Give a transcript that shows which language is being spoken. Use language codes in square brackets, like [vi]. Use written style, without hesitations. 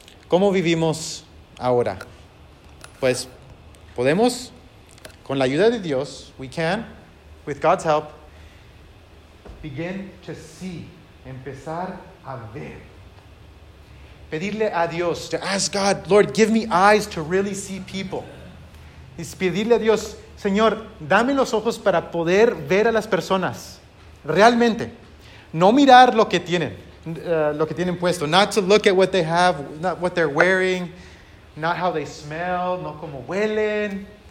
[es] ¿Cómo vivimos ahora? Pues, podemos, con la ayuda de Dios, [en] we can, with God's help, begin to see, [es] empezar a ver. Pedirle a Dios, [en] to ask God, Lord, give me eyes to really see people. [es] Es pedirle a Dios, Señor, dame los ojos para poder ver a las personas. Realmente. No mirar lo que tienen puesto. [en] Not to look at what they have, not what they're wearing, not how they smell, [es] no cómo huelen.